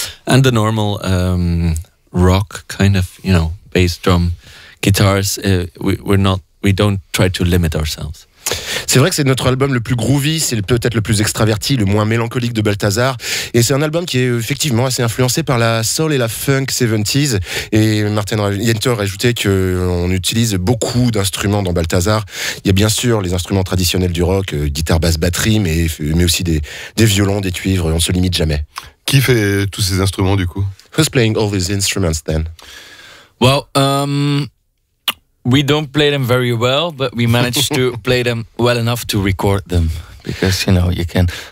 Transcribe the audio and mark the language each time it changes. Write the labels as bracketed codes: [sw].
[en] And the normal rock kind of, you know, bass, drum, guitars, we don't try to limit ourselves. [fr] C'est vrai que c'est notre album le plus groovy, c'est peut-être le plus extraverti, le moins mélancolique de Balthazar. Et c'est un album qui est effectivement assez influencé par la soul et la funk 70s. Et Martin Jente rajoutait qu'on utilise beaucoup d'instruments dans Balthazar. Il y a bien sûr les instruments traditionnels du rock, guitare, basse, batterie, mais aussi des violons, des cuivres, on ne se limite jamais. Qui fait tous ces instruments du coup? [en] Who's playing all these instruments then? Well, we don't play them very well, but we managed to play them well enough to record them, because you know you can.